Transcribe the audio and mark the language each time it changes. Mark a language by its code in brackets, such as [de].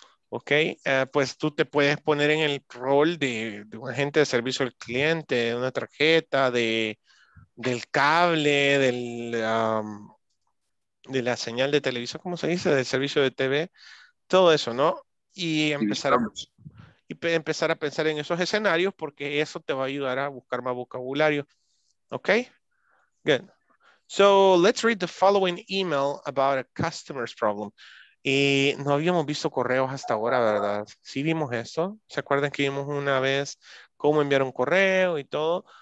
[es] Ok, pues tú te puedes poner en el rol de un agente de servicio al cliente, de una tarjeta, del cable, del de la señal de televisión, ¿cómo se dice? Del servicio de TV, todo eso, ¿no? Y empezar, y empezar a pensar en esos escenarios porque eso te va a ayudar a buscar más vocabulario. [en] ¿Ok? Good. So, let's read the following email about a customer's problem. [es] Y no habíamos visto correos hasta ahora, ¿verdad? Sí vimos eso. ¿Se acuerdan que vimos una vez cómo enviar un correo y todo?